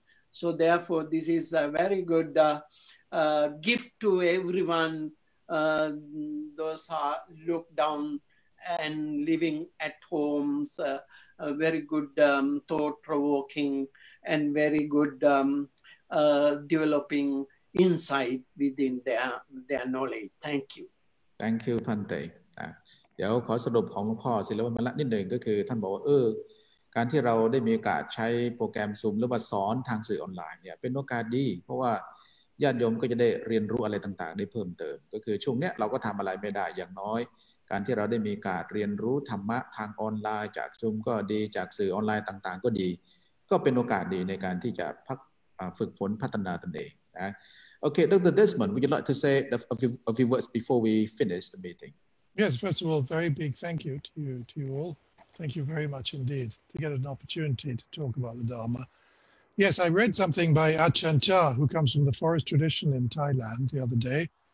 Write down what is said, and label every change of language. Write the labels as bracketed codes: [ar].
[en] So therefore, this is a very good gift to everyone, those are locked down and living at homes, a very good thought-provoking and very good developing insight within their knowledge. Thank you. Thank you, Pante. [th] เดี๋ยวขอสรุปของหลวงพ่อศิลวิมลนิดหนึ่งก็คือท่านบอกว่า การที่เราได้มีโอกาสใช้โปรแกรม Zoom หรือว่าสอนทางสื่อออนไลน์เนี่ยเป็นโอกาสดีเพราะว่าญาติโยมก็จะได้เรียนรู้อะไรต่างๆได้เพิ่มเติมก็คือช่วงเนี้ยเราก็ทำอะไรไม่ได้อย่างน้อยการที่เราได้มีโอกาสเรียนรู้ธรรมะทางออนไลน์จาก Zoom ก็ดีจากสื่อออนไลน์ต่างๆก็ดีก็เป็นโอกาสดีในการที่จะพักฝึกฝนพัฒนาตนเองนะโอเค Dr. [en] Desmond would you like to say a few words before we finish the meeting Yes first of all very big thank you to you allThank you very much indeed to get an opportunity to talk about the Dharma. Yes, I read something by Achan Cha, who comes from the forest tradition in Thailand the other day.